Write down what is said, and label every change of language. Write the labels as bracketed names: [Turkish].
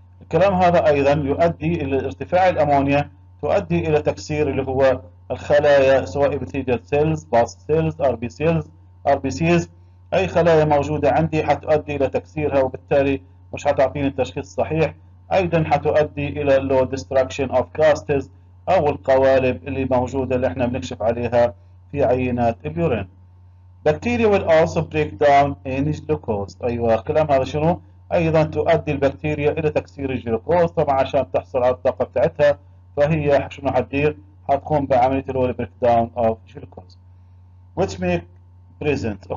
[Arabic] الكلام هذا أيضا يؤدي إلى ارتفاع الأمونيا، تؤدي إلى تكسير اللي هو الخلايا سواء epithelial cells, bast cells, RBCs, RBCs، أي خلايا موجودة عندي حتؤدي إلى تكسيرها وبالتالي مش حتعطيني التشخيص الصحيح. أيضا حتؤدي إلى [English] low destruction of casts [Arabic] أو القوالب اللي موجودة اللي احنا بنكشف عليها في عينات اليورين. [English] Bacteria will also break down any glucose. [Arabic] أيوة الكلام هذا شنو؟ أيضا تؤدي البكتيريا إلى تكسير الجلوكوز طبعا عشان تحصل على الطاقة بتاعتها، فهي شنو حتدير؟ حتقوم بعملية اللي هو البريك داون اوف جلوكوز [English] which may present.